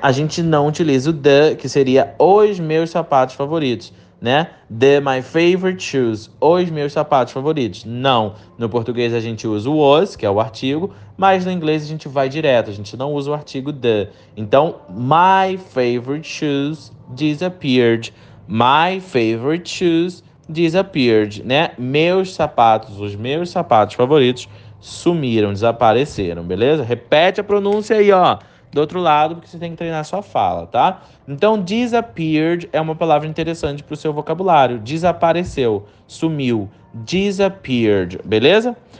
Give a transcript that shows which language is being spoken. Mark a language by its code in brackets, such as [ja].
[pt] A gente não utiliza o the, que seria os meus sapatos favoritos. Né? [en] The my favorite shoes, [pt] os meus sapatos favoritos. Não. No português a gente usa o was, que é o artigo, mas no inglês a gente vai direto, a gente não usa o artigo the. Então, [en] my favorite shoes disappeared. My favorite shoes disappeared, [pt] né? Meus sapatos, os meus sapatos favoritos sumiram, desapareceram, beleza? Repete a pronúncia aí, ó. Do outro lado, porque você tem que treinar a sua fala, tá? Então, disappeared é uma palavra interessante para o seu vocabulário. Desapareceu, sumiu, disappeared, beleza?